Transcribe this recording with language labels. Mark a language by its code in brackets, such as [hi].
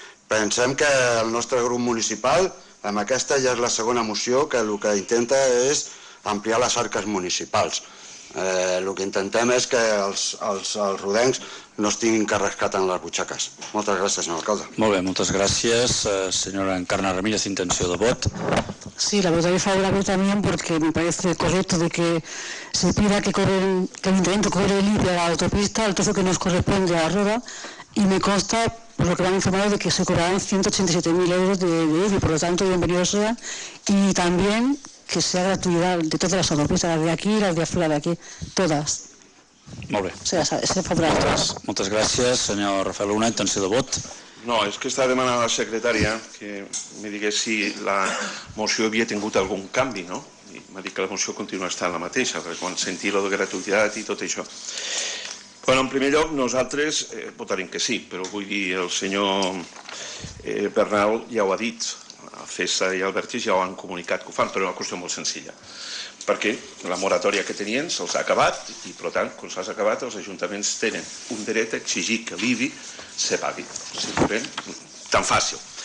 [ca] Pensem que el nostre grup municipal, amb aquesta ja és la segona moció, que el que intenta és ampliar les arques municipals. El que intentem és que els rodencs no es tinguin que rescatar en les butxaques. Moltes gràcies, senyor alcalde. Molt bé, moltes gràcies. Senyora Encarna Ramírez, intenció de vot. [es] Sí, la votaré favorable también porque me parece correcto de que se pida que el intento cobre el IBI a la autopista, el trozo que nos corresponde a la Roda, y me consta, por lo que me han informado, de que se cobrarán 187.000 euros de IBI, por lo tanto, bienvenido sea, y también que sea gratuidad de todas las autopistas, las de aquí y las de afuera de aquí, todas. [ca] Molt bé. [es] O sea, se favorable a todas. [ca] Moltes gràcies, senyor Rafael Luna, intenció de vot. No, és que està demanant la secretària que me digués si la moció havia tingut algun canvi, no? I m'ha dit que la moció continua estant la mateixa, perquè quan sentia la de gratuïtat i tot això. Bueno, en primer lloc, nosaltres votarem que sí, però vull dir, el senyor Bernal ja ho ha dit, Cesa i Albertis ja ho han comunicat que ho fan, però és una qüestió molt senzilla, perquè la moratòria que tenien se'ls ha acabat i, per tant, quan s'ha acabat, els ajuntaments tenen un dret a exigir que l'IBI se pagui, simplement, tan fàcil.